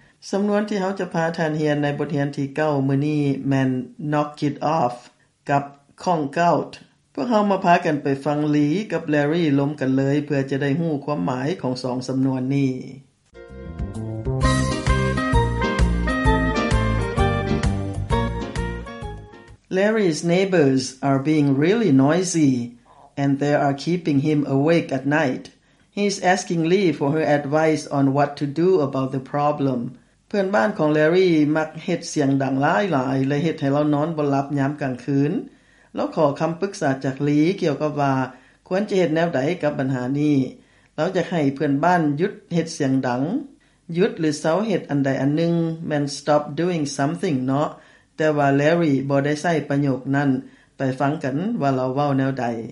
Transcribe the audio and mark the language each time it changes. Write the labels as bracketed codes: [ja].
[tts] สำนวนที่เฮาจะพาท่านเรียนในบทเรียนที่9มื้อนี้แม่น Knock It Off กับ Conk Outพวกเรามาพากันไปฟังหลีกับแลรี่ล้มกันเลยเพื่อจะได้หู้ความหมายของสองสำนวนนี้ [en] Larry's neighbors are being really noisy and they are keeping him awake at night. He's asking Lee for her advice on what to do about the problem. [tts] เพื่อนบ้านของแลรี่มักเฮ็ดเสียงดังหลายๆและเฮ็ดให้เรานอนบ่หลับยามกลางคืนแล้วขอคำปรึกษาจากลีเกี่ยวกับว่าควรจะเฮ็ดแนวใดกับปัญหานี้เราจะให้เพื่อนบ้านหยุดเฮ็ดเสียงดังหยุดหรือเซาเฮ็ดอันใดอันนึงแม่น [en] stop doing something [tts] เนาะแต่ว่าแลรี่บ่ได้ใช้ประโยคนั้นไปฟังกันว่าเราเว้าแนวใด